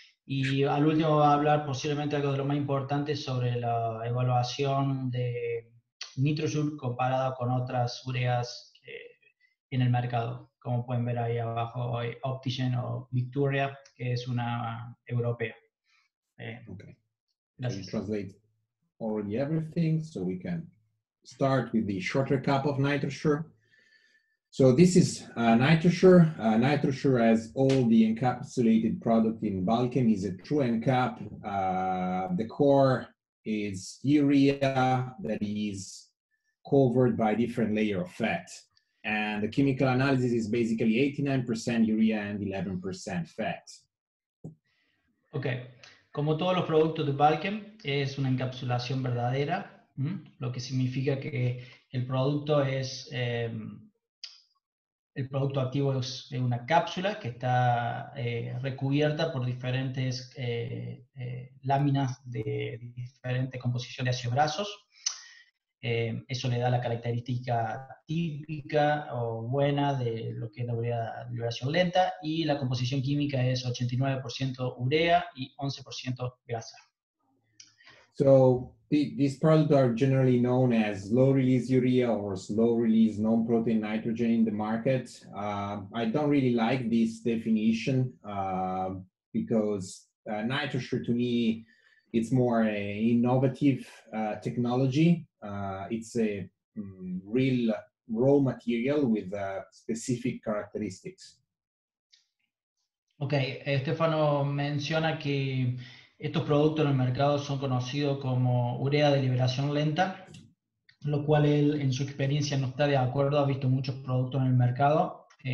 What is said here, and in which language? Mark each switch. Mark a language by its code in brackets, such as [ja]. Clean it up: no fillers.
[es] Y al último va a hablar posiblemente algo de lo más importante sobre la evaluación de NitroSure comparada con otras ureas en el mercado, como pueden ver ahí abajo, Optigen o Victoria, que es una europea. Okay. Gracias. [en] Translate already everything, so we can start with the shorter cap of NitroSure. So this is NitroSure. NitroSure, as all the encapsulated product in Balkan, is a true end cap. The core is urea that is covered by different layer of fat. And the chemical analysis is basically 89% urea and 11% fat. [es] Okay, como todos los productos de Balkan, es una encapsulación verdadera, lo que significa que el producto es el producto activo es una cápsula que está recubierta por diferentes láminas de diferente composición de ácidos grasos. Eso le da la característica típica o buena de lo que es la urea de liberación lenta, y la composición química es 89% urea y 11% grasa. [en] So these products are generally known as low release urea or slow release non protein nitrogen in the market. I don't really like this definition because NitroSure to me, it's more an innovative technology. It's a real raw material with specific characteristics. [es] Okay, Stefano menciona que estos productos en el mercado son conocidos como urea de liberación lenta, lo cual él en su experiencia no está de acuerdo. Ha visto muchos productos en el mercado.